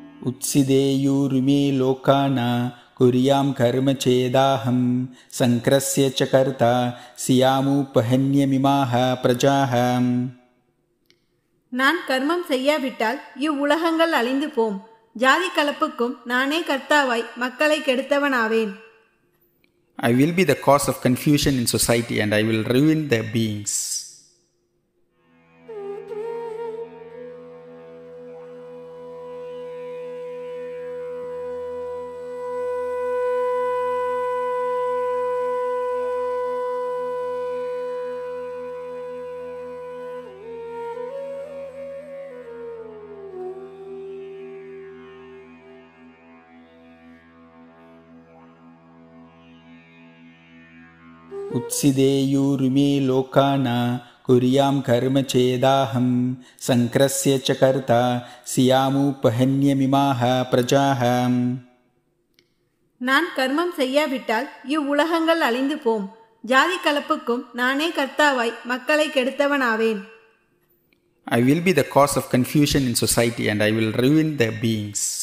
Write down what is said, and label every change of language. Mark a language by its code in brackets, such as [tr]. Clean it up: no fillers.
[sa] உத்சிதேயூருமே லோகானா குறியாம் கர்ம சேதாஹம் சங்கரஸ்ய ச கர்த்தா சியாமுபஹன்யமிமாஹ பிரஜாஹ. [ta] நான் கர்மம் செய்யாவிட்டால் இவ்வுலகங்கள் அழிந்து போம். ஜாதி கலப்புக்கும் நானே கர்த்தாவாய் மக்களை கெடுத்தவனாவேன். [en] I will be the cause of confusion in society and I will ruin the beings. [sa] உத்சிதேயூருமே லோகானா குறியாம் கர்ம சேதாஹம் சங்கரஸ்ய ச கர்த்தா சியாமுபஹன்யமிமாஹ பிரஜாஹ. [ta] நான் கர்மம் செய்யாவிட்டால் இவ்வுலகங்கள் அழிந்து போம். ஜாதி கலப்புக்கும் நானே கர்த்தாவாய் மக்களை கெடுத்தவனாவேன். [en] I will be the cause of confusion in society and I will ruin the beings.